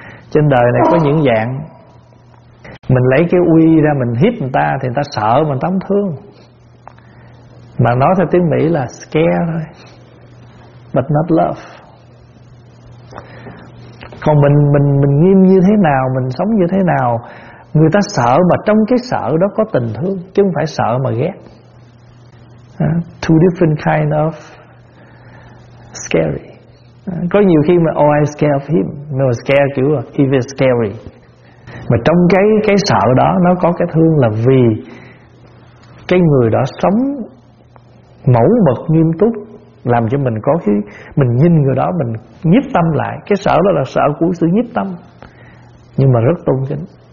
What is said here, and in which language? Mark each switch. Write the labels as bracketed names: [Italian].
[Vietnamese] Trên đời này có những dạng, mình lấy cái uy ra mình hiếp người ta thì người ta sợ mà người ta không thương, mà nói theo tiếng Mỹ là scare thôi, [English] but not love. [Vietnamese] Còn mình nghiêm như thế nào, mình sống như thế nào, Người ta sợ mà trong cái sợ đó có tình thương, chứ không phải sợ mà ghét. [English] Two different kind of scary. [Vietnamese] Có nhiều khi mà [English] oh I scared of him, no scared [Vietnamese] kiểu [English] he is scary. [Vietnamese] Mà trong cái sợ đó nó có cái thương, là vì cái người đó sống mẫu mực nghiêm túc, làm cho mình có cái, mình nhìn người đó mình nhiếp tâm lại. Cái sợ đó là sợ của sự nhiếp tâm, nhưng mà rất tôn kính.